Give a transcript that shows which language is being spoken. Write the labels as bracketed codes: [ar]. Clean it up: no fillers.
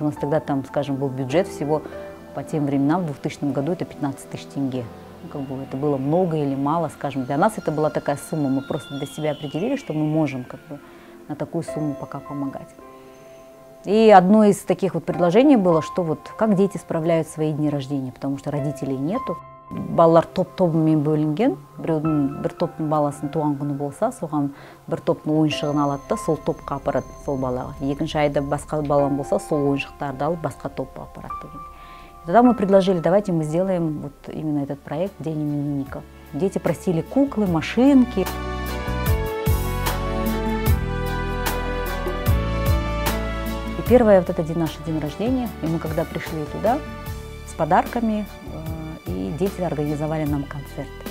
[ru] У нас тогда там, скажем, был бюджет всего. По тем временам, в 2000 году, это 15 тысяч тенге. Как бы это было много или мало, скажем. Для нас это была такая сумма. Мы просто для себя определили, что мы можем как бы на такую сумму пока помогать. И одно из таких вот предложений было, что вот как дети справляют свои дни рождения, потому что родителей нету. [kk] Баллар топ-топмен бөлінген, бір топтың баласын туған күні болса, соған бір топтың ойыншығын алады да, сол топқа апарады сол балаға. Екінші айда басқа балам болса, сол ойыншықтарды алып, басқа топқа апарады деген. [ru] Тогда мы предложили, давайте мы сделаем вот именно этот проект «День именинника». Дети просили куклы, машинки. И первое вот это наш день рождения. И мы когда пришли туда с подарками, и дети организовали нам концерт.